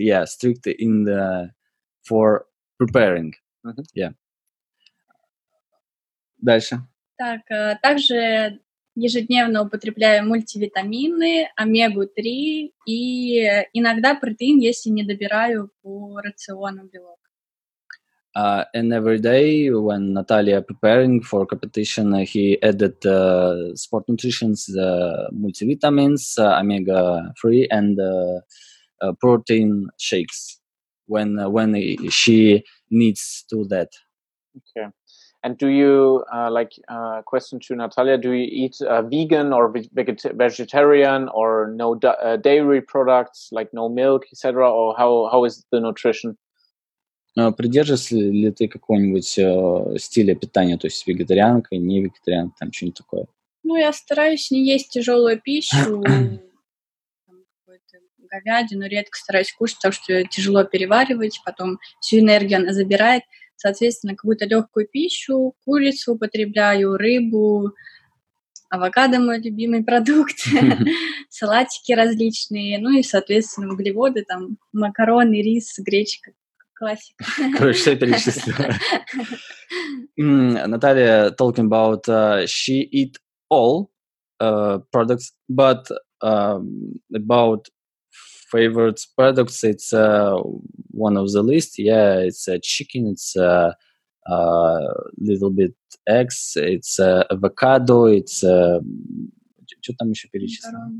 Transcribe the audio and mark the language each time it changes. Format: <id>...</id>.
<en>Yeah, strict in the for preparing. Mm-hmm. Yeah.</en> <ru>Дальше. Так, также ежедневно употребляю мультивитамины, омегу-3 и иногда протеин, если не добираю по рациону белок.</ru> <en>And every day when Natalia preparing for competition, he added sport nutrition's multivitamins, omega-3 and protein shakes when she needs to that. Okay. And do you, question to Natalia, do you eat vegan or vegetarian or no dairy products, like no milk, etc.? Or how is the nutrition?</en> <ru>Придерживаешься ли ты какого-нибудь стиля питания, то есть вегетарианка, не вегетарианка, там что-нибудь такое? Ну, я стараюсь не есть тяжелую пищу, там, какую-то говядину, редко стараюсь кушать, потому что тяжело переваривать, потом всю энергию она забирает. Соответственно, какую-то легкую пищу, курицу употребляю, рыбу, авокадо мой любимый продукт, салатики различные, ну и, соответственно, углеводы, там, макароны, рис, гречка.</ru> <en>Classic.</en> <ru>Короче, все перечислил.</ru> <en>Наталья talking about she eat all products, but about favorite products, it's one of the list. Yeah, it's chicken, it's a little bit eggs, it's avocado, it's</en> <ru>что там еще перечислил?</ru>